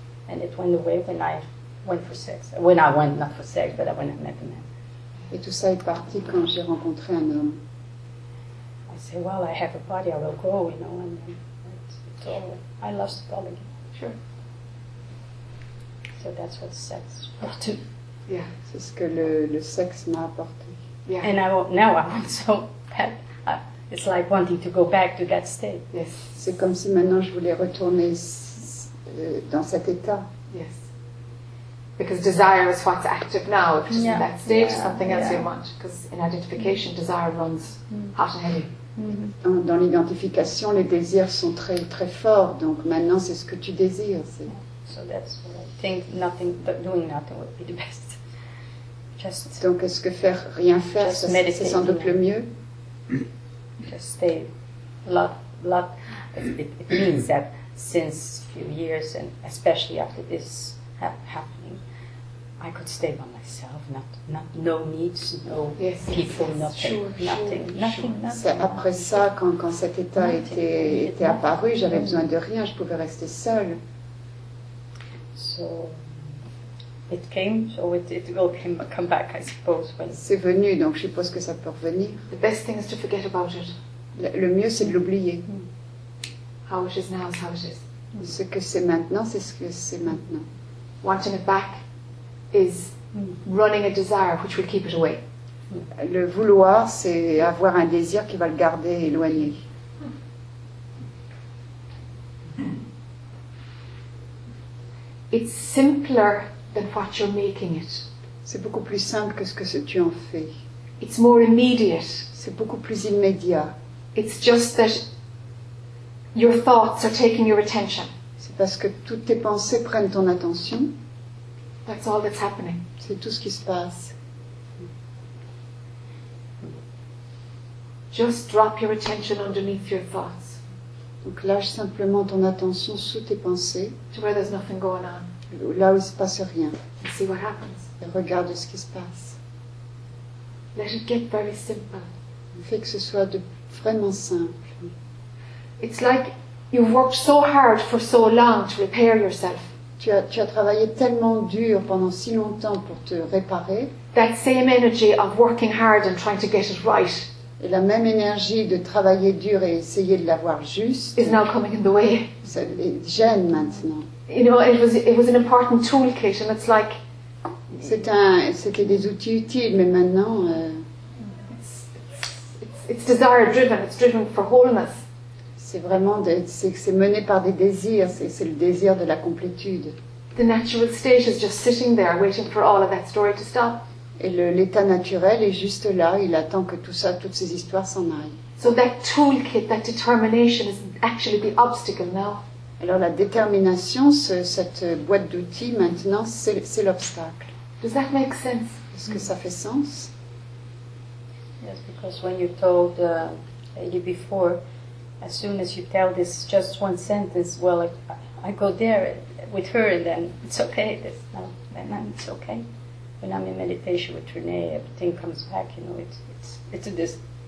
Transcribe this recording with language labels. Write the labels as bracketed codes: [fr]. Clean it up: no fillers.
[en] And it went away when I went for sex. When I went not for sex, but when I met the man. [fr] Et tout ça est parti quand j'ai rencontré un homme. [en] I say, well, I have a body, I will go, you know, and it's all. I lost it all again. Sure. So that's what sex brought to me. Yeah, [fr] c'est ce que le sexe m'a apporté. [en] Yeah. And I want so bad. It's like wanting to go back to that state. Yes. [fr] C'est comme si maintenant je voulais retourner dans cet état. [en] Yes. Because desire is what's active now. If it's in that state, something else you want. Because in identification, desire runs hot and heavy. Mm-hmm. [fr] Dans l'identification, les désirs sont très très forts. Donc maintenant, c'est ce que tu désires. C'est... [en] So that's what I think. Nothing, doing nothing would be the best. Just [fr] donc, est-ce que faire rien faire, c'est sans doute le mieux? [en] Just stay a lot. It means that since a few years, and especially after this happening, I could stay by myself. Not no needs, no yes, people, yes, nothing, sure, nothing, sure, nothing, sure. nothing. [fr] C'est après ça, quand cet état était apparu, j'avais besoin de rien, je pouvais rester seule. [en] So. It came, so it will come back, I suppose. When [fr] c'est venu, donc je suppose que ça peut revenir. [en] The best thing is to forget about it. [fr] Le mieux, c'est de l'oublier. [en] Mm. How it is now is how it is. Mm. [fr] Ce que c'est maintenant, c'est ce que c'est maintenant. [en] Wanting it back is running a desire which will keep it away. [fr] Le vouloir, c'est avoir un désir qui va le garder éloigné. [en] It's simpler. Than what you're making it. [fr] C'est beaucoup plus simple que ce que tu en fais. [en] It's more immediate. [fr] C'est beaucoup plus immédiat. [en] It's just that your thoughts are taking your attention. [fr] C'est parce que toutes tes pensées prennent ton attention. [en] That's all that's happening. [fr] C'est tout ce qui se passe. [en] Just drop your attention underneath your thoughts. [fr] Donc lâche simplement ton attention sous tes pensées. [en] To where there's nothing going on. [fr] Là où il se passe rien. [en] See what happens. [fr] Et regarde ce qui se passe. [en] Let it get very simple. [fr] Fais que ce soit de vraiment simple. [en] It's like you've worked so hard for so long to repair yourself. [fr] Tu as travaillé tellement dur pendant si longtemps pour te réparer. [en] That same energy of working hard and trying to get it right. [fr] Et la même énergie de travailler dur et essayer de l'avoir juste. [en] Is now coming in the way. [fr] Ça gêne maintenant. [en] You know, it was an important toolkit, and it's like. [fr] C'était des outils utiles, mais maintenant. [en] It's desire driven. It's driven for wholeness. [fr] C'est vraiment c'est mené par des désirs. C'est le désir de la complétude. [en] The natural state is just sitting there, waiting for all of that story to stop. [fr] Et l'état naturel est juste là. Il attend que tout ça, toutes ces histoires s'en aillent. [en] So that toolkit, that determination, is actually the obstacle now. [fr] Alors la détermination, cette boîte d'outils maintenant, c'est l'obstacle. [en] Does that make sense? [fr] Est-ce que ça fait sens? [en] Yes, because when you told you before, as soon as you tell this just one sentence, well, I go there with her, and then it's okay. Then it's okay. When I'm in meditation with Renee, everything comes back. You know, it's this.